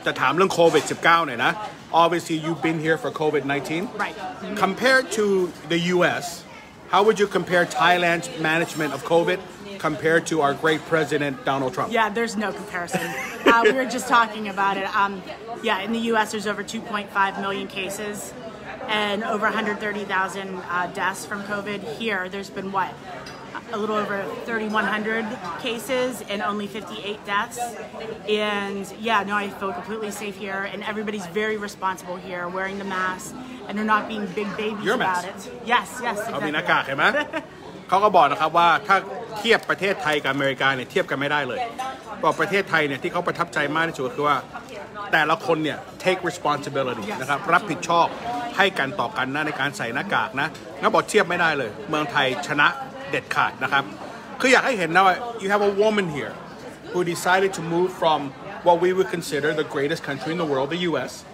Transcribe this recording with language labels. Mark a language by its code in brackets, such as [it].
[th] จะถามเรื่อง COVID-19 หน่อยนะ [en] Obviously, you've been here for COVID-19. Right. Mm-hmm. Compared to the U.S., how would you compare Thailand's management of COVID compared to our great president, Donald Trump? Yeah, there's no comparison. we were just talking about it. Yeah, in the U.S. there's over 2.5 million cases and over 130,000 deaths from COVID. Here, there's been, what, a little over 3,100 cases and only 58 deaths. And yeah, no, I feel completely safe here. And everybody's very responsible here, wearing the mask. And they're not being big babies Your about mask. It. Yes, yes, exactly. [th] เขามีหน้ากากเห็นไหมเขาก็บอกนะครับว่าถ้าเทียบประเทศไทยกับอเมริกาเนี่ยเทียบกันไม่ได้เลยบอกประเทศไทยเนี่ยที่เขาประทับใจมากที่สุดคือว่าแต่ละคนเนี่ย [en] take responsibility yes, [th] นะครับรับผิดชอบให้กันต่อกันนะในการใส่หน้ากากนะงั้นบอกเทียบไม่ได้เลยเมืองไทยชนะเด็ดขาดนะครับคืออยากให้เห็นนะว่า [en] you have a woman here who decided to move from what we would consider the greatest country in the world the U.S.